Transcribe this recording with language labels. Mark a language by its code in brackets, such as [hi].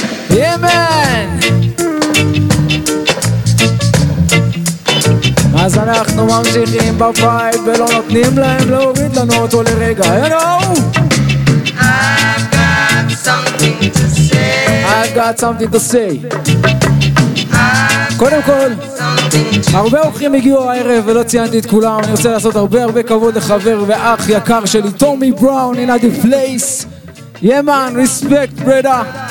[he] יאמן! אז אנחנו ממשיכים בפייט ולא נותנים להם להוריד לנו אותו לרגע, you know? [en] I've got something to say. [he] קודם כל, הרבה אורחים הגיעו הערב ולא ציינתי את כולם, אני רוצה לעשות הרבה הרבה כבוד לחבר ואח יקר שלי, טומי בראון, [en] in the place. Yeah man, respect, brother.